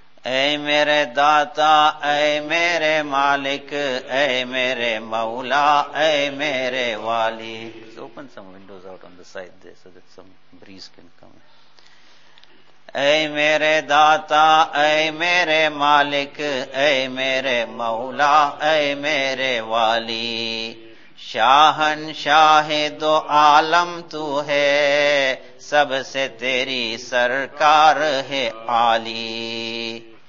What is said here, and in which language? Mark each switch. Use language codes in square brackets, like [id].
[ur] اے میرے داتا اے میرے مالک اے میرے مولا اے میرے والی. [en] Let's open some windows out on the side there so that some breeze can come. [ur] اے میرے داتا اے میرے مالک اے میرے مولا اے میرے والی, شاہنشاہ دو عالم تو ہے, سب سے تیری سرکار ہے عالی.